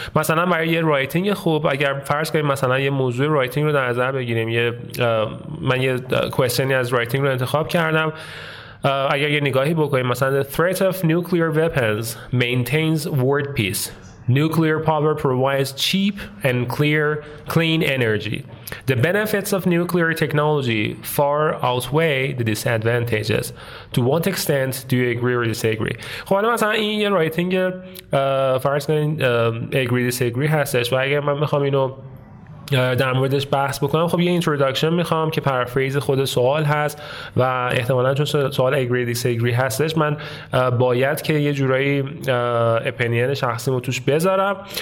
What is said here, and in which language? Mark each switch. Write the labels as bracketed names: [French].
[Persian] مثلا برای یه رایتینگ خوب، اگر فرض کنیم مثلا یه موضوع رایتینگ رو در نظر بگیریم، من یه کوئسچنی از رایتینگ رو انتخاب کردم، اگر یه نگاهی بکنیم مثلا [English] the threat of nuclear weapons maintains world peace. Nuclear power provides cheap and clean energy. The benefits of nuclear technology far outweigh the disadvantages. To what extent do you agree or disagree? [Persian] خب الان مثلا این یه رایتینگ فرض کنین agree disagree هستش، و اگر من میخوام اینو در موردش بحث بکنم، خب یه اینتروداکشن میخوام که پرافریز خود سوال هست، و احتمالا چون سوال agree disagree هستش، من باید که یه جورایی اپینین شخصیمو توش بذارم.